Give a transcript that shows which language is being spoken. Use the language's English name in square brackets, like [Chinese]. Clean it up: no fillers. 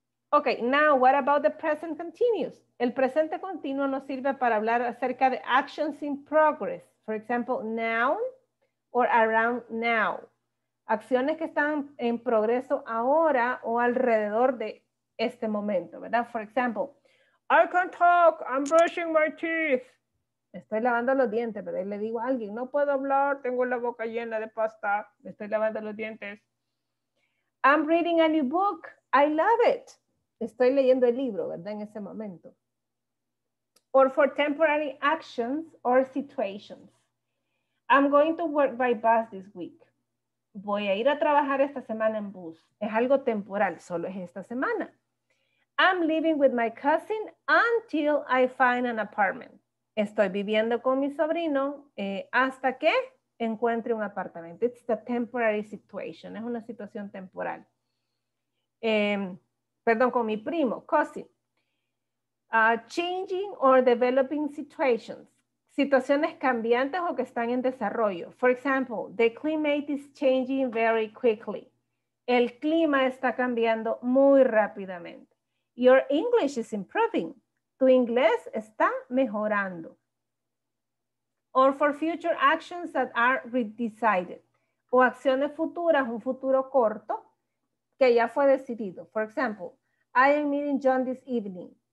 [English] Ok, now, what about the present continuous? [Spanish] El presente continuo nos sirve para hablar acerca de [English] actions in progress. For example, now or around now. [Spanish] Acciones que están en progreso ahora o alrededor de este momento, ¿verdad? [English] For example, I can talk, I'm brushing my teeth. [Spanish] Estoy lavando los dientes, pero ahí le digo a alguien, no puedo hablar, tengo la boca llena de pasta, me estoy lavando los dientes. [English] I'm reading a new book, I love it. [Spanish] Estoy leyendo el libro, ¿verdad? En ese momento. [English] Or for temporary actions or situations. I'm going to work by bus this week. [Spanish] Voy a ir a trabajar esta semana en bus. Es algo temporal, solo es esta semana. [English] I'm living with my cousin until I find an apartment. [Spanish] Estoy viviendo con mi sobrino hasta que encuentre un apartamento. [English] It's a temporary situation. [Spanish] Es una situación temporal. Perdón, con mi primo, cousin. [English] Changing or developing situations. [Spanish] Situaciones cambiantes o que están en desarrollo. [English] For example, the climate is changing very quickly. [Spanish] El clima está cambiando muy rápidamente. [English] Your English is improving. [Spanish] Tu inglés está mejorando. [English] Or for future actions that are redecided. [Spanish] O acciones futuras, un futuro corto que ya fue decidido. [English] For example, I am meeting John this evening.